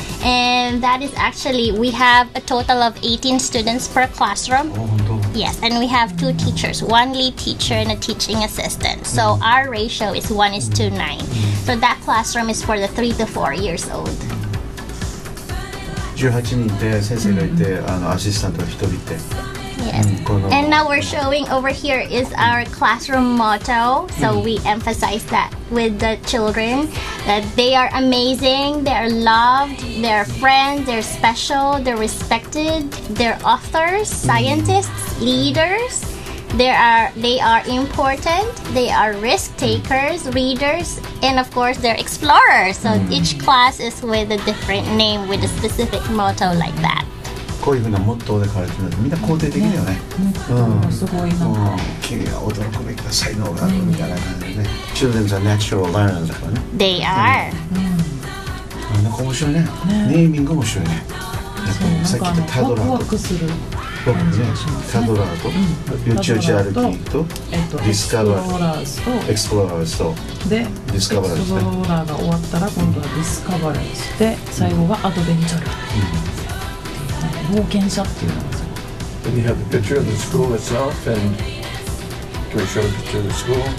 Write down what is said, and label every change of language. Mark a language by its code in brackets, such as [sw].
[en] And that is actually, we have a total of 18 students per classroom. Yes, and we have 2 teachers, 1 lead teacher and a teaching assistant. So our ratio is 1:9. So that classroom is for the 3 to 4 years old. [ja] 18人で先生がいて、アシスタントが1人いて。 [en] Yes. And now we're showing over here is our classroom motto. So we emphasize that with the children, that they are amazing, they are loved, they are friends, they're special, they're respected, they're authors, scientists, leaders. They are important, they are risk takers, readers, and of course they're explorers. So each class is with a different name with a specific motto like that. [ja] こういうふうなモットーで書かれてるんです。みんな肯定的だよね。すごいな。君は驚くべきだ、才能があるみたいな感じでね。 [en] Children are natural learners [ja] だからね。 [en] They are。 [ja] なんか面白いね。ネーミング面白いね。さっき言ったタドラーと。ワクワクする。僕もね、タドラーと、よちよち歩きと、ディスカバラーズと、エクスプローラーズと、で、ディスカバラーズね。エクスプローラーが終わったら、今度はディスカバラーズで、最後はアドベンチャー。冒険者っていうのがそれ。 [en] And you have the picture of the school itself, and can we show the picture of the school?